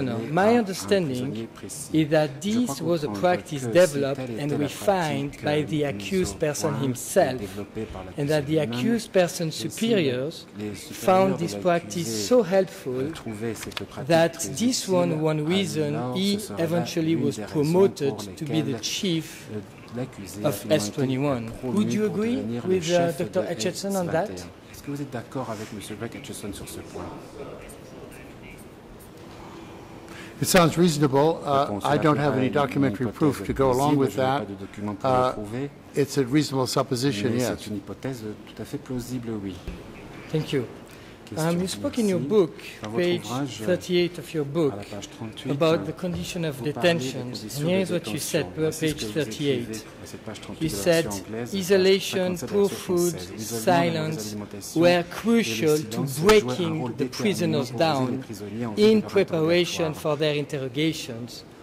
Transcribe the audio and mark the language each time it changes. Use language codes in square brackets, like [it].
[en] My understanding is that this was a practice developed and refined by the accused person himself, and that the accused person's superiors found this practice so helpful that this was one reason he eventually was promoted to be the chief of S21. Would you agree with Dr. Hutchinson on that? [fr] Est-ce que vous êtes d'accord avec Monsieur Greg Hutchinson sur ce point? [en] It sounds reasonable. I don't have any documentary proof to go along with that. It's a reasonable supposition, yes. [fr] C'est une hypothèse tout à fait plausible, oui. [en] Thank you. You spoke in your book, page 38 of your book, about the condition of detention. And here's what you said, page 38. You said, isolation, poor food, silence were crucial to breaking the prisoners down in preparation for their interrogations.